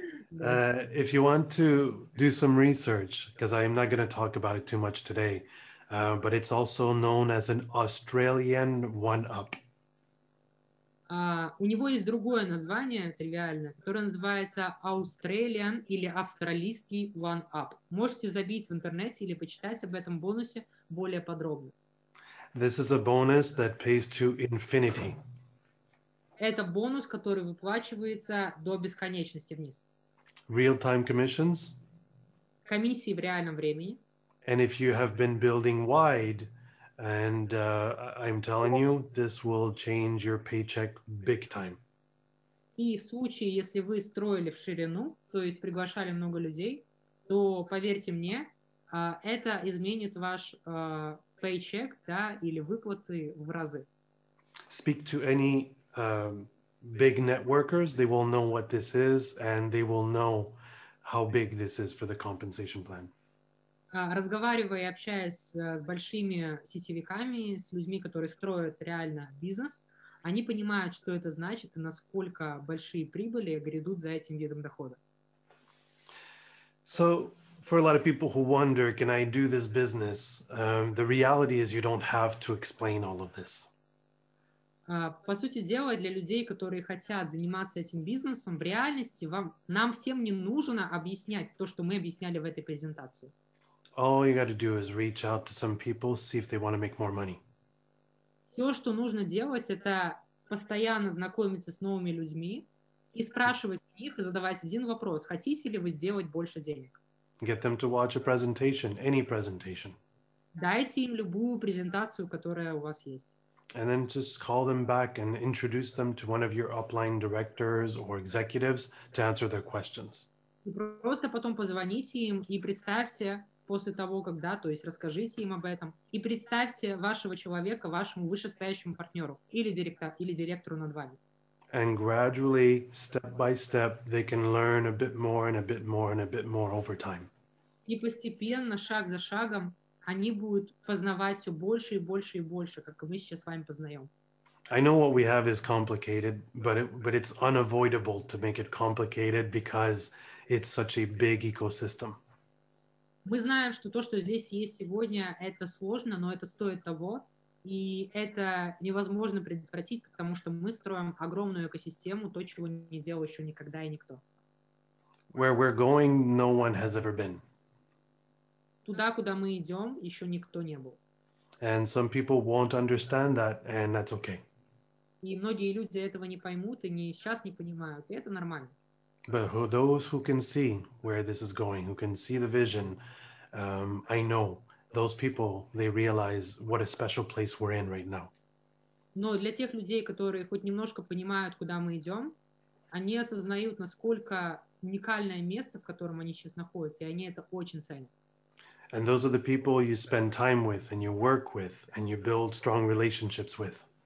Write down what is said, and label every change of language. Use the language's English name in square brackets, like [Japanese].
[English] If you want to do some research, because I am not going to talk about it too much today, but it's also known as an Australian one-up. [Russian] У него есть другое название, тривиальное, которое называется [English] Australian [Russian] или австралийский one-up. Можете забить в интернете или почитать об этом бонусе более подробно. [English] This is a bonus that pays to infinity. [Russian] Это бонус, который выплачивается до бесконечности вниз. [English] Real-time commissions. [Russian] Комиссии в реальном времени. [English] And if you have been building wide, and I'm telling you, this will change your paycheck big time. [Russian] И в случае, если вы строили в ширину, то есть приглашали много людей, то поверьте мне, это изменит ваш paycheck, да, или выплаты в разы. [English] Speak to any big networkers, they will know what this is, and they will know how big this is for the compensation plan. [Russian] Разговаривая и общаясь с большими сетевиками, с людьми, которые строят реально бизнес, они понимают, что это значит и насколько большие прибыли грядут за этим видом дохода. [English] So, for a lot of people who wonder, can I do this business? The reality is you don't have to explain all of this. [Russian] По сути дела, для людей, которые хотят заниматься этим бизнесом, в реальности нам всем не нужно объяснять то, что мы объясняли в этой презентации. [English] All you got to do is reach out to some people, see if they want to make more money. [Russian] Все, что нужно делать, это постоянно знакомиться с новыми людьми и спрашивать у них и задавать один вопрос: хотите ли вы сделать больше денег? [English] Get them to watch a presentation, any presentation. [Russian] Дайте им любую презентацию, которая у вас есть. [English] And then just call them back and introduce them to one of your upline directors or executives to answer their questions. [Russian] И просто потом позвоните им и представьте после того, когда, то есть расскажите им об этом, и представьте вашего человека вашему вышестоящему партнеру или директору над вами. [English] And gradually, step by step, they can learn a bit more and a bit more and a bit more over time. [Russian] И постепенно, шаг за шагом, они будут познавать все больше и больше и больше, как мы сейчас с вами познаем. [English] I know what we have is complicated, but it's unavoidable to make it complicated because it's such a big ecosystem. [Russian] Мы знаем, что то, что здесь есть сегодня, это сложно, но это стоит того, и это невозможно предотвратить, потому что мы строим огромную экосистему, то, чего не делал еще никогда и никто. [English] Where we're going, no one has ever been. [Russian] Туда, куда мы идем, еще никто не был. [English] And some people won't understand that, and that's okay. [Russian] И многие люди этого не поймут и не сейчас не понимают, и это нормально. [English] But those who can see where this is going, who can see the vision, I know those people, they realize what a special place we're in right now. [Russian] Но для тех людей, которые хоть немножко понимают, куда мы идем, они осознают, насколько уникальное место, в котором они сейчас находятся, и они это очень ценят. [English] And those are the people you spend time with, and you work with, and you build strong relationships with.